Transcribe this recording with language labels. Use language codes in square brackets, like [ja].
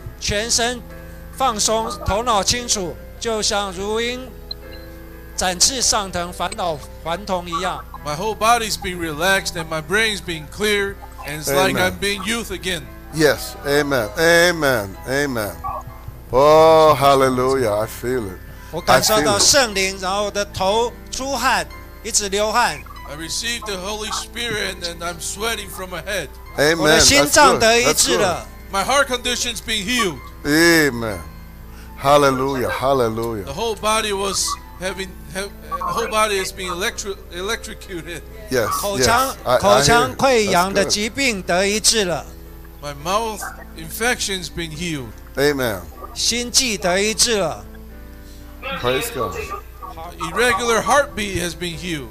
[zh] 全身放松，头脑清楚，就像如鹰展翅上腾，烦恼还童一样。 [en] My whole body's being relaxed and my brain's being clear and it's like I'm being youth again. Yes. Amen. Amen. Amen. Oh, hallelujah, I feel it. [zh] 我感受到圣灵，然后我的头出汗，一直流汗。 [en] I received the Holy Spirit and I'm sweating from my head. Amen. [zh] 我的心脏得医治了。 [en] My heart condition's been healed. Amen. Hallelujah, hallelujah. The whole body was being electrocuted. Yes, [zh] 口腔溃疡的疾病得医治了。 [en] My mouth infection's been healed. Amen. [zh] 心悸得医治了。 [en] Praise God. Irregular heartbeat has been healed.